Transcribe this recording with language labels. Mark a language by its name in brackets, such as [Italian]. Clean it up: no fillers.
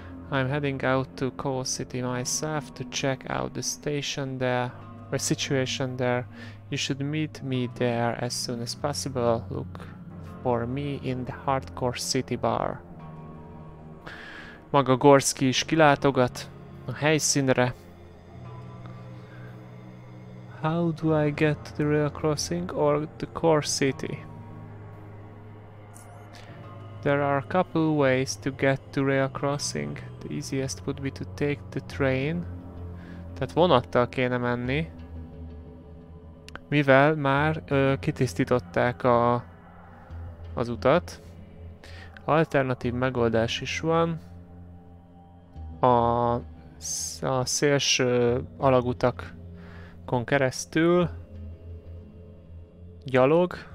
[English] I'm heading out to Coal City myself to check out the station there, the situation there. You should meet me there as soon as possible. Look for me in the Hardcore City bar. [Hungarian] Maga Gorski is kilátogat a helyszínre. [English] How do I get to the rail crossing or the core city? There are a couple ways to get to rail crossing. The easiest would be to take the train. [Hungarian] Tehát vonattal kéne menni. Mivel már kitisztították az utat. Alternatív megoldás is van. A szélső alagutakon keresztül gyalog.